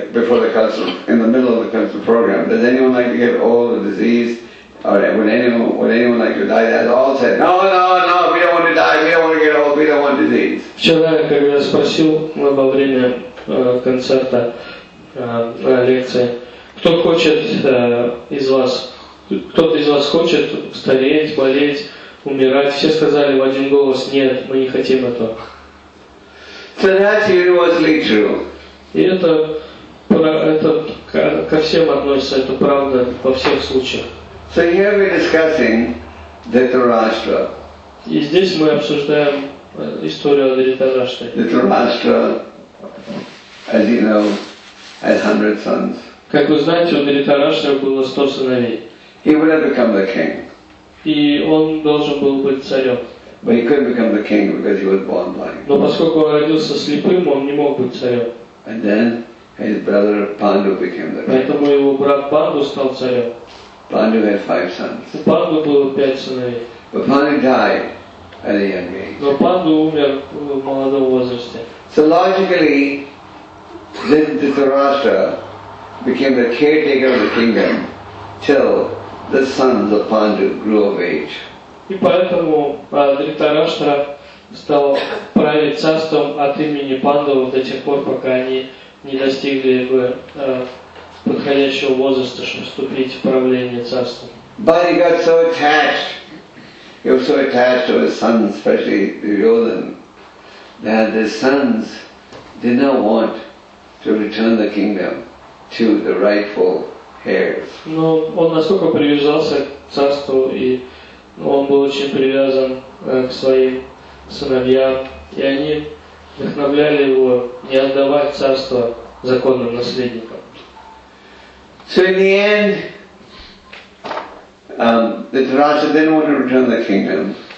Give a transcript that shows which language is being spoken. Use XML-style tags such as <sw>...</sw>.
<en>Before the council, in the middle of the council program, does anyone like to get old or diseased? Or would anyone like to die? They all said, no, we don't want to die, we don't want to get old, we don't want disease.</en> <ru>Вчера, когда я спросил во время концерта, лекции, кто хочет из вас, кто-то из вас хочет стареть, болеть, умирать? Все сказали в один голос: нет, мы не хотим этого.</ru> <en>So that's universally true.</en> <ru>И это ко всем относится, это правда во всех случаях.</ru> <en>So here we're discussing Dhritarashtra.</en> <ru>И здесь мы обсуждаем историю Дхритараштры.</ru> <en>Dhritarashtra, as you know, has 100 sons.</en> <ru>Как вы знаете, у Дхритарашты было 100 сыновей.</ru> <en>He would have become the king.</en> <ru>И он должен был быть царем.</ru> <en>But he couldn't become the king because he was born blind.</en> <ru>Но поскольку он родился слепым, он не мог быть царем.</ru> <en>And then his brother Pandu became the king.</en> <ru>Поэтому его брат Панду стал царем.</ru> <en>Pandu had 5 sons.</en> <ru>У Панду было 5 сыновей.</ru> <en>But Pandu died at a young age.</en> <ru>Но Панду умер в молодом возрасте.</ru> <en>So logically, then Dhritarashtra became the caretaker of the kingdom till the sons of Pandu grew of age.</en> <ru>И поэтому Дхритарашта стал править царством от имени Пандов до тех пор, пока они не достигли бы подходящего возраста, чтобы вступить в правление царством.</ru> <en>But he got so attached. He was so attached to his sons, especially Duryodhana, that his sons did not want to return the kingdom to the rightful heirs.</en> <ru>Но он настолько привязался к царству, и он был очень привязан к своим сыновьям, и они вдохновляли его не отдавать царство законным наследникам.</ru> <en>So in the end, the Dhritarashtra didn't want to return the kingdom.</en>